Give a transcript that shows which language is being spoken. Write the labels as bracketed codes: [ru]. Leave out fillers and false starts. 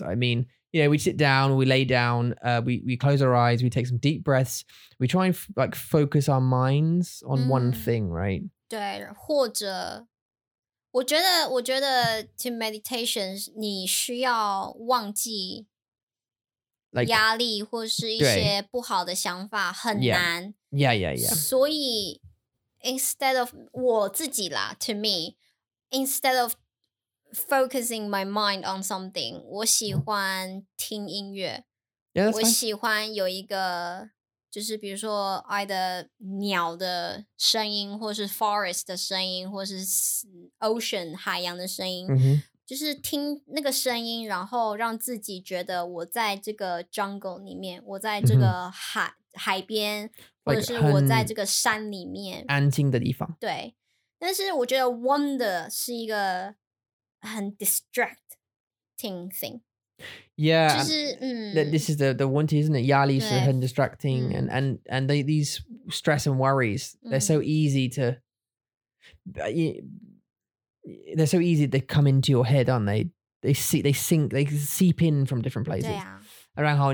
[en] I mean, you know, we sit down, we lay down, we close our eyes, we take some deep breaths, we try and like focus our minds on one thing, right? [zh] 对，或者。我觉得 [en] to meditation [zh] 你需要忘记 like, 压力或是一些不好的想法 很难 yeah. 所以 [en] instead of [zh] 我自己啦 [en] to me instead of focusing my mind on something [zh] 我喜欢听音乐 yeah, 我喜欢有一个 就是比如说 either 鸟的声音 或是 forest 的声音 或是 ocean 海洋的声音 就是听那个声音 然后让自己觉得我在这个 jungle 里面 我在这个海 海边 或者是我在这个山里面安静的地方对 但是我觉得 wonder 是一个很 [en] distracting thing Yeah, [zh] 就是, [en] this is the one, isn't it? [zh] 压力是很 [en] distracting, and they, these stress and worries, they're so easy to, they're so easy to come into your head, aren't they? They seep in from different places. Yeah.